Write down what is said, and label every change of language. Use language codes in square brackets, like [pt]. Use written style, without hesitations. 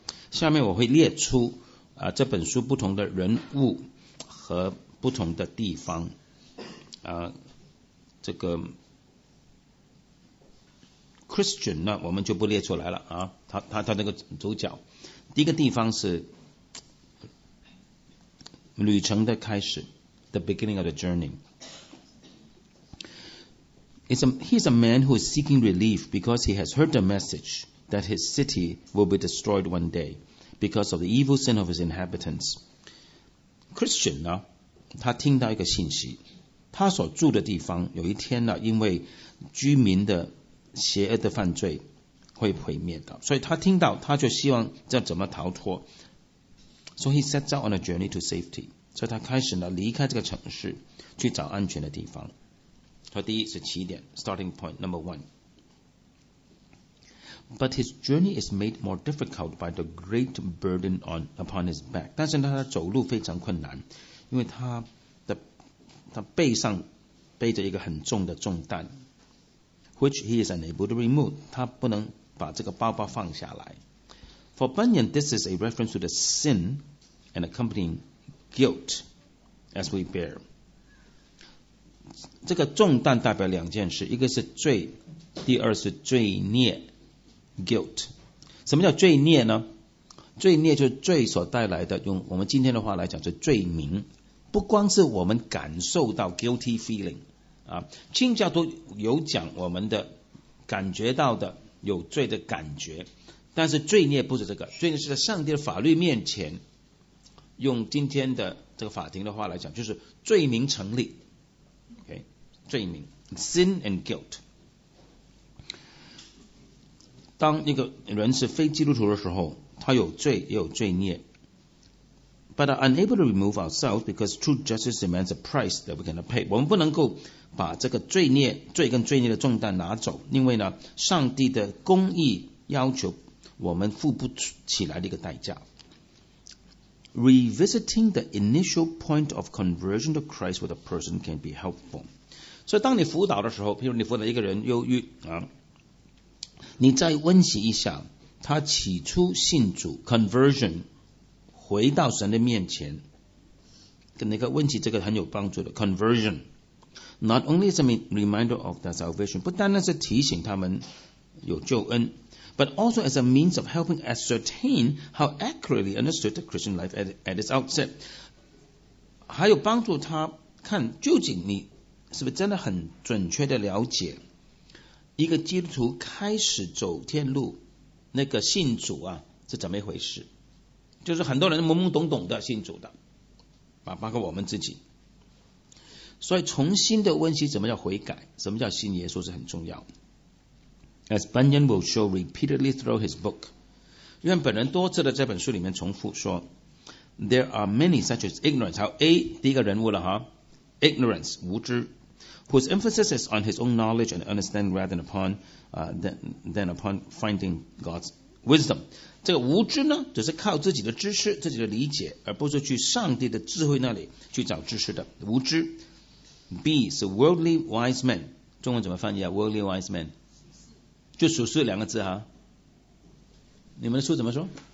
[zh] 下面我会列出这本书不同的人物和不同的地方这个 Christian 呢，我们就不列出来了他那个主角。第一个地方是旅程的开始 [en] The beginning of the journey。 He's a man who is seeking relief because he has heard the message that his city will be destroyed one day because of the evil sin of his inhabitants. [zh] Christian 呢，他听到一个信息，他所住的地方有一天呢，因为居民的邪恶的犯罪会毁灭的，所以他听到他就希望要怎么逃脱。 [en] So he sets out on a journey to safety. [zh] 所以他开始呢离开这个城市去找安全的地方。所以第一是起点 , [en] starting point number one. But his journey is made more difficult by the great burden upon his back. [zh] 但是他的走路非常困难，因为他背上背着一个很重的重担 [en] ,which he is unable to remove. [zh] 他不能把这个包包放下来。 [en] For Bunyan, this is a reference to the sin and accompanying guilt as we bear. [zh] 这个重担代表两件事，一个是罪，第二是罪孽 guilt. 什么叫罪孽呢？罪孽就是罪所带来的，用我们今天的话来讲是罪名。不光是我们感受到 [en] guilty feeling, [zh] 啊，清教徒有讲我们的感觉到的有罪的感觉，但是罪孽不是这个，罪孽是在上帝的法律面前，用今天的这个法庭的话来讲，就是罪名成立。 OK, 罪名 , [en] sin and guilt。 [zh] 当一个人是非基督徒的时候，他有罪也有罪孽。 [en] But are unable to remove ourselves because true justice demands a price that we cannot pay. [zh] 我们不能够把这个罪孽，罪跟罪孽的重担拿走，因为呢，上帝的公义要求我们付不起来的一个代价。 [en] Revisiting the initial point of conversion to Christ with a person can be helpful. [zh] 所以当你辅导的时候，譬如你辅导一个人忧郁啊，你再温习一下他起初信主 conversion 回到神的面前，跟那个温习这个很有帮助的 conversion. [en] Not only is a reminder of the salvation, [zh] 不单单是提醒他们有救恩， [en] But also as a means of helping ascertain how accurately understood the Christian life at its outset. [zh] 还有帮助他看究竟你是不是真的很准确的了解一个基督徒开始走天路那个信主啊是怎么一回事。就是很多人懵懵懂懂的信主的，包括我们自己。所以重新的温习怎么叫悔改，什么叫信耶稣是很重要的。 [en] As Bunyan will show repeatedly through his book, [zh] 因为本人多次的这本书里面重复说 [en] ,there are many such as ignorance, [zh] 还有 A, 第一个人物了哈 ,ignorance, 无知 [en] ,whose emphasis is on his own knowledge and understanding rather than upon finding God's wisdom. [zh] 这个无知呢只是靠自己的知识自己的理解，而不是去上帝的智慧那里去找知识的无知。 [en] B, 是 worldly wise men, [zh] 中文怎么翻译啊 [en] ,worldly wise men。 [zh] 就属世两个字哈，你们的书怎么说？